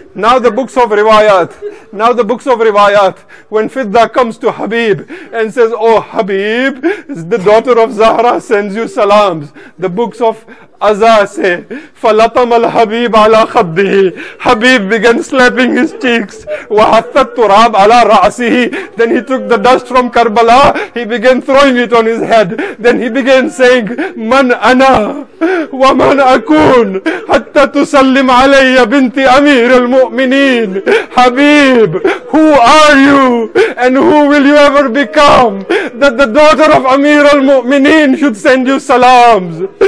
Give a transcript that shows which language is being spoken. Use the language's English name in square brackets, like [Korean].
[English] Now the books of Riwayat, now the books of Riwayat, when Fidda comes to Habib and says, oh Habib, the daughter of Zahra sends you salams. The books of Azah say, [Arabic] فَلَطَمَ الْحَبِيبَ عَلَىٰ خَبِّهِ. [English] Habib began slapping his cheeks. [Arabic] وَحَثَّ التُّرَابَ عَلَىٰ رَأْسِهِ. [English] Then he took the dust from Karbala, he began throwing it on his head. Then he began saying, [Arabic] مَنْ أَنَا وَمَنْ أَكُونَ حَتَّى تُسَلِّمْ عَلَيَّ بِنْتِ أَمِيرِ الْمُؤْمِنِينَ. Habib, [English] Jacob, who are you and who will you ever become that the daughter of Amir al-Mu'mineen should send you salams?